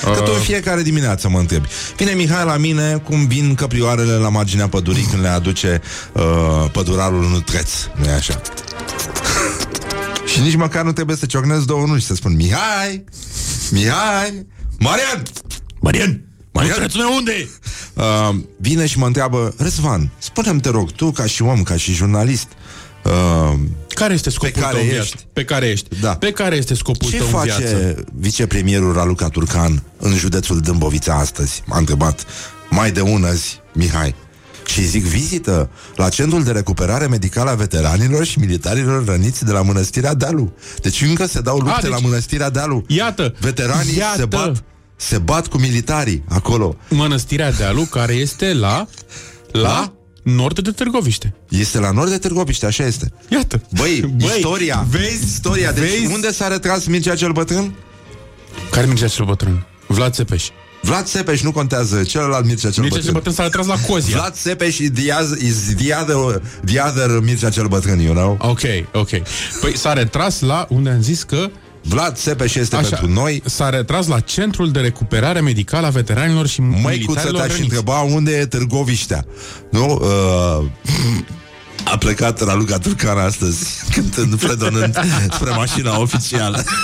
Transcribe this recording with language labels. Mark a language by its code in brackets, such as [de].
[ro] Că tu în fiecare dimineață mă întrebi. Vine Mihai la mine, cum vin căprioarele la marginea pădurii când le aduce pădurarul nutreț. Nu-i așa? Și nici măcar nu trebuie să ciocnesc două nuși, să spun Mihai, Mihai, Marian, Marian, Marian, Marian, Marian, unde? Vine și mă întreabă, Răzvan, spune-mi, te rog, tu ca și om, ca și jurnalist, care este scopul tău în viață? Pe care ești? Da. Pe care este scopul ce tău în viață? Ce face vicepremierul Raluca Turcan în județul Dâmbovița astăzi? M-a întrebat mai de un azi, Mihai. Și zic, vizită la centrul de recuperare medicală a veteranilor și militarilor răniți de la Mănăstirea Dealu. Deci încă se dau lupte la Mănăstirea Dealu. Iată! Veteranii iată. Se bat cu militarii acolo. Mănăstirea Dealu, care este la... La... Da? Nord de Târgoviște. Este la nord de Târgoviște, așa este. Iată. Băi, istoria. Vezi? Istoria. Deci unde s-a retras Mircea cel Bătrân? Care Mircea cel Bătrân? Vlad Țepeș. Vlad Țepeș, nu contează. Celălalt Mircea cel Bătrân. Mircea cel Bătrân s-a retras la Cozia. [en] Vlad Țepeș is the other Mircea cel Bătrân, you know? [ro] Ok, ok. Păi s-a retras la unde am zis că... Vlad Țepeș este așa, pentru noi. S-a retras la centrul de recuperare medicală a veteranilor și militarilor răniți. Măicuță, te-aș întreba unde e Târgoviștea. Nu? A plecat Raluca Turcan astăzi cântând, fredonând spre mașina oficială.